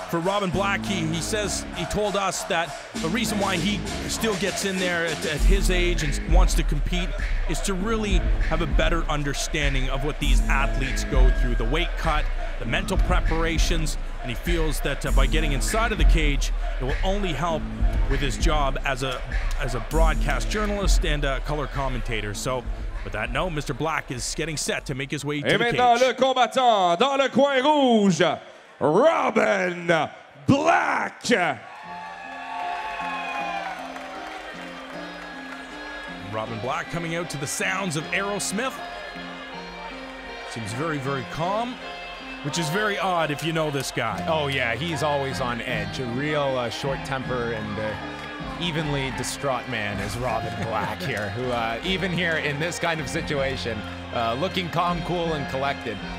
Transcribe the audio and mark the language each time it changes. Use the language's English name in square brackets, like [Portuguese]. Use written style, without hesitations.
[English] For Robin Black, he says, he told us that the reason why he still gets in there at his age and wants to compete is to really have a better understanding of what these athletes go through, the weight cut, the mental preparations, and he feels that by getting inside of the cage, it will only help with his job as a broadcast journalist and a color commentator. So with that note, Mr. Black is getting set to make his way to the cage. [French] Et maintenant, le combattant dans le coin rouge, Robin Black! [English] Robin Black coming out to the sounds of Aerosmith. Seems very, very calm, which is very odd if you know this guy. Oh yeah, he's always on edge. A real short temper and evenly distraught man is Robin Black here, who even here in this kind of situation, looking calm, cool, and collected.